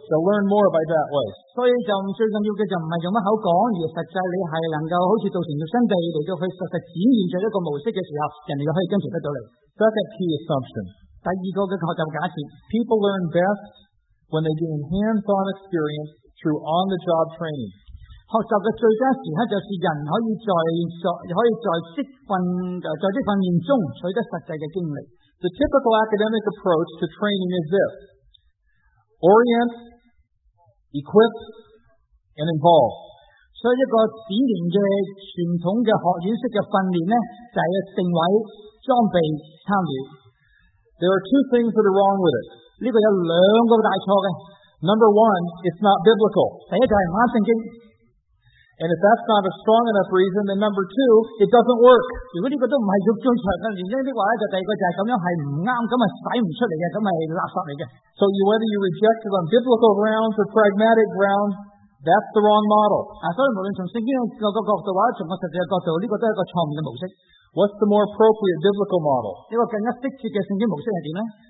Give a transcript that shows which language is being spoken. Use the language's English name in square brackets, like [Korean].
[English] They'll learn more by that way. [Cantonese] 所以就唔最重要嘅就唔系用乜口讲，而实际你系能够好似造成肉身地嚟到去实实展现咗一个模式嘅时候，人哋就可以跟随得到你。 [English] Second key assumption。 [Cantonese] 第二个嘅学习假设 [English] ，people learn best when they gain hands-on experience through on-the-job training。 [Cantonese] 学习嘅最佳时刻就是人可以在职训在职训练中取得实际嘅经历。 [English] The typical academic approach to training is this: orient, equip, and involve。 [Cantonese] 所以一个典型嘅传统嘅学院式嘅训练咧，就系定位、装备、参与。 [English] There are two things that are wrong with it. [Cantonese] 呢个有两个大错嘅。 [English] Number one, it's not biblical. [Cantonese] 第一就系唔啱圣经。 [English] And if that's not a strong enough reason, then number two, it doesn't work. [Cantonese] 如果呢个都唔系足够强嘅原因的话咧，就第二个就系咁样系唔啱，咁啊使唔出嚟嘅，咁系垃圾嚟嘅。 [English] So whether you reject it on biblical grounds or pragmatic grounds, that's the wrong model. [Cantonese] 啊，所以无论从圣经个角度或者从个实际嘅角度，呢个都系一个错误嘅模式。 [English] What's the more appropriate biblical model? [Cantonese] 一个更加适切嘅圣经模式系点咧